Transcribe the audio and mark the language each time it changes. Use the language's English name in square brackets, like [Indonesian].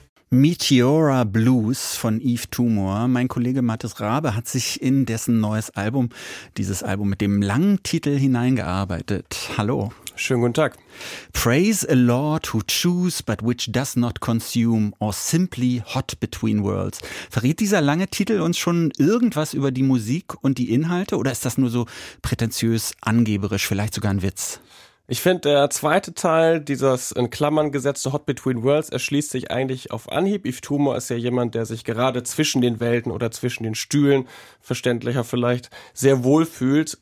[German] Meteora Blues von Eve Tumor. Mein Kollege Mathis Rabe hat sich in dessen neues Album, dieses Album mit dem langen Titel, hineingearbeitet. Hallo. Schönen guten Tag. [English] Praise a Lord who chews but which does not consume or simply hot between worlds. [German] Verrät dieser lange Titel uns schon irgendwas über die Musik und die Inhalte oder ist das nur so prätentiös, angeberisch, vielleicht sogar ein Witz? Ich finde, der zweite Teil, dieses in Klammern gesetzte Hot Between Worlds, erschließt sich eigentlich auf Anhieb. Eve Tumor ist ja jemand, der sich gerade zwischen den Welten oder zwischen den Stühlen, verständlicher vielleicht, sehr wohl fühlt.